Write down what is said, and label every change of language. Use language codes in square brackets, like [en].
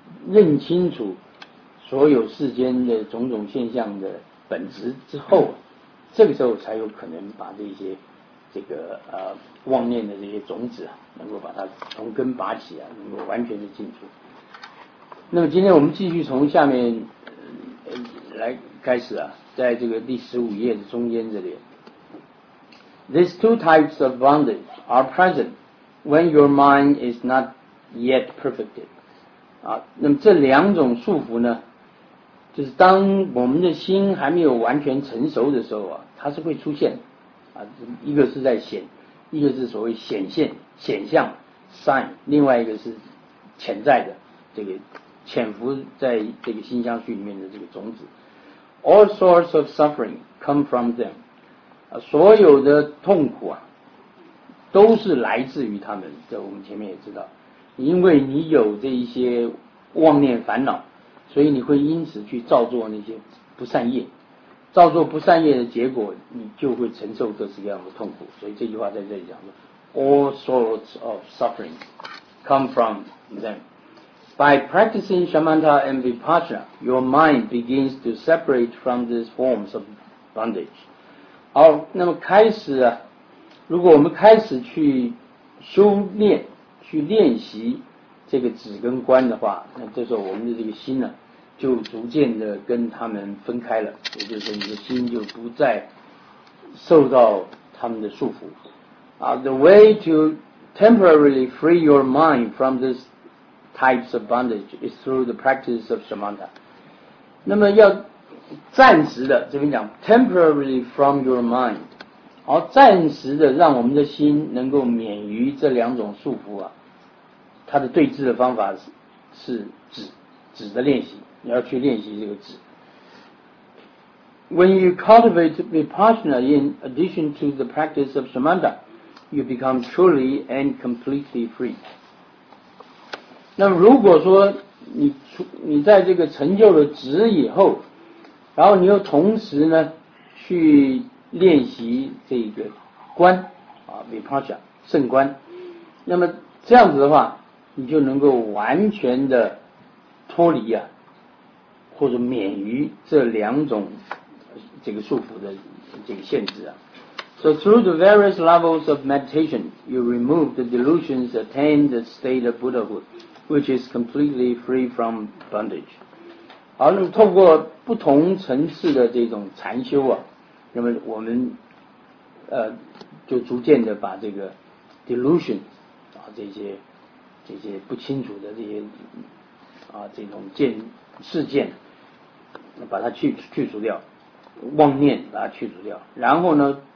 [zh] 认清楚所有世间的种种现象的本质之后，这个时候才有可能把这些这个妄念的这些种子啊，能够把它从根拔起啊，能够完全的进出。那么今天我们继续从下面来开始啊，在这个第十五页的中间这里。 [en] These two types of bondage are present when your mind is not yet perfected. [zh] 啊，那么这两种束缚呢，就是当我们的心还没有完全成熟的时候啊，它是会出现啊，一个是在显，一个是所谓显现显象 sign， 另外一个是潜在的这个潜伏在这个心相续里面的这个种子。 [en] All sorts of suffering come from them. [zh] 所有的痛苦啊都是来自于他们，这我们前面也知道，因为你有这一些妄念烦恼，所以你会因此去造作那些不善业，造作不善业的结果你就会承受各式各样的痛苦。所以这句话在这里讲说 [en] All sorts of suffering come from them. By practicing shamatha and vipassana, your mind begins to separate from these forms of bondage. [zh] 好，那么开始啊，如果我们开始去修炼去练习这个止跟观的话，那这时候我们的这个心呢就逐渐的跟他们分开了，也就是你的心就不再受到他们的束缚。 [en] The way to temporarily free your mind from these types of bondage is through the practice of shamatha. [zh] 那么要暂时的，这边讲 [en] temporarily from your mind， [zh] 而暂时的让我们的心能够免于这两种束缚啊，它的对治的方法是止的练习，你要去练习这个止。 [en] When you cultivate vipassana in addition to the practice of samatha, you become truly and completely free. [zh] 那么如果说你在这个成就了止以后，然后你又同时呢去练习这个观啊 ，vipassana 圣观。那么这样子的话，你就能够完全的脱离啊，或者免于这两种这个束缚的这个限制啊。 [en] So through the various levels of meditation, you remove the delusions, attain the state of Buddhahood, which is completely free from bondage. [zh] 好，那么透过不同层次的这种禅修啊，那么我们就逐渐的把这个 delusion 啊这些不清楚的这些啊这种事件，把它去除掉，妄念把它去除掉，然后呢？